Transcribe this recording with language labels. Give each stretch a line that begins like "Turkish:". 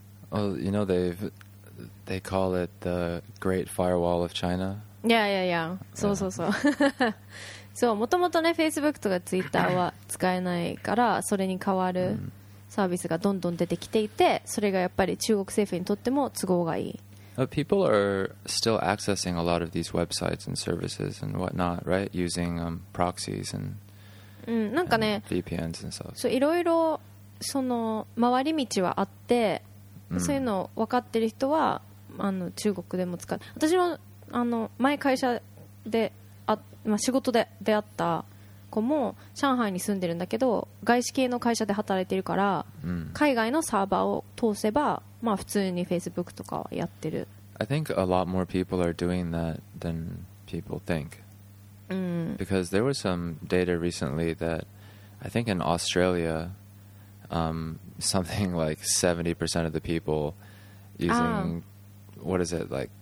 English: Well, you know, they call it the Great Firewall of China.
Japanese: いや、そうそうそう、そう、もともとね、Facebook とか Twitter は使えないから、それに代わるサービスがどんどん出てきていて、それがやっぱり中国政府にとっても都合がいい。
English: But people are still accessing a lot of these websites and services and whatnot, right? Using proxies and,
Japanese: なんかね、
English: and VPNs and stuff.
Japanese: そう、いろいろその回り道はあって、そういうの分かってる人は、あの中国でも使う。私もあの前会社で、まあ、仕事で出会った子も上海に住んでるんだけど、外資系の会社で働いてるから、海外のサーバーを通せば、まあ、普通に Facebook とかはやってる。
English: I think a lot more people are doing that than people think、because there was some data recently that I think in Australia、something like 70% of the people using、what is it like?